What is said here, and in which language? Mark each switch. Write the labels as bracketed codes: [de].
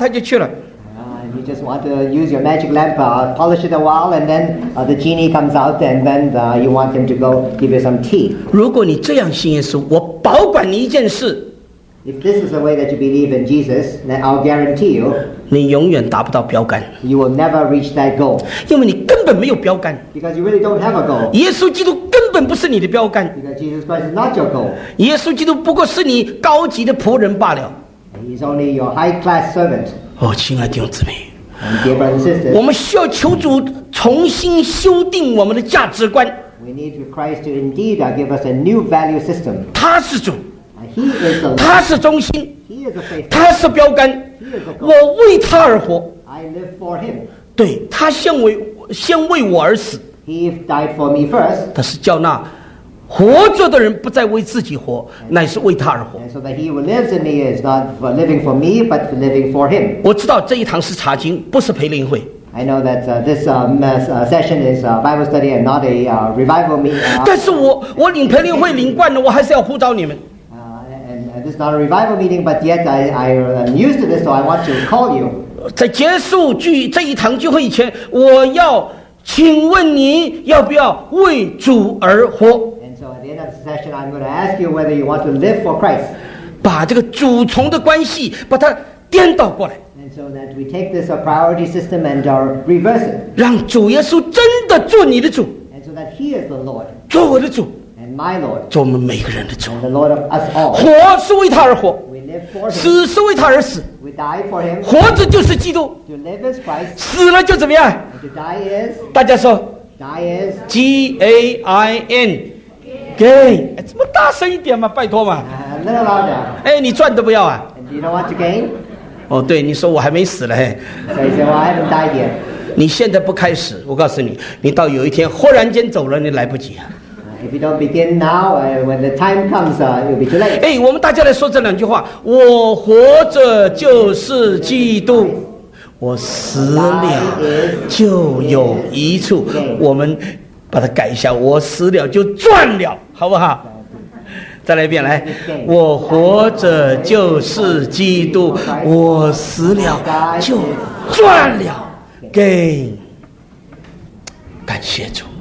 [zh] 他就去了。 [en] You just want to use your magic lamp, polish it a while, and then the genie comes out, and then you want him to go give you some tea. [zh] 如果你这样信耶稣，我保管你一件事。 [en] If this is the way that you believe in Jesus, then I'll guarantee you. [zh] 你永远达不到标杆。 [en] You will never reach that goal. [zh] 因为你根本没有标杆。 [en] Because you really don't have a goal. [zh] 耶稣基督根本不是你的标杆。 [en] Because Jesus Christ is not your goal. [zh] 耶稣基督不过是你高级的仆人罢了。 [en] He's only your high-class servant. [zh] 哦，亲爱的弟兄姊妹。 [en] And dear brothers and sisters. [zh] 我们需要求主重新修订我们的价值观。 [en] We need Christ to indeed give us a new value system. [zh] 他是主。 [en] He is a [zh] 他是中心 [en] He is a [zh] 他是标杆 [en] He is a [zh] 我为他而活 [en] I live for him. [zh] 对他先为我而死 [en] He died for me first. [zh] 他是叫那活着的人不再为自己活 [en] and, [zh] 乃是为他而活 [en] so that he who lives in me is not for living for me but for living for him. [zh] 我知道这一堂是查经不是培灵会 [en] I know that this session is a Bible study and not a revival meeting [zh] 但是我领培灵会领惯了我还是要呼召你们 [en] This is not a revival meeting, but yet I am used to this, so I want to call you. [zh] 在结束聚这一堂聚会以前，我要请问你要不要为主而活 [en] ？And so at the end of the session, I'm going to ask you whether you want to live for Christ. [zh] 把这个主从的关系把它颠倒过来。 [en] And so that we take this priority system and reverse it. [zh] 让主耶稣真的做你的主。 [en] And so that He is the Lord. [zh] 做我的主。 [en] My Lord, [zh] 做我们每个人的主 [en] the Lord of us all. [zh] 活是为他而活 [en] We live for him. [zh] 死是为他而死 [en] We die for him. [zh] 活着就是基督 [en] to live is Christ. [zh] 死了就怎么样 [en] to die is, [zh] 大家说 [en] die is, G-A-I-N Gain [zh] 怎么大声一点嘛拜托嘛 [en] a little louder. [zh] 哎，你赚都不要啊 [en] And you don't want to gain? [zh] 哦，对你说我还没死了 [en] So you say, well, I haven't died yet. [zh] 你现在不开始我告诉你你到有一天忽然间走了你来不及啊 [en] If you don't begin now, when the time comes, you'll be too late. [zh] 哎，我们大家来说这两句话。我活着就是基督，我死了就有益处。我们把它改一下，我死了就赚了，好不好？再来一遍，来。我活着就是基督，我死了就赚了 ，gain。感谢主。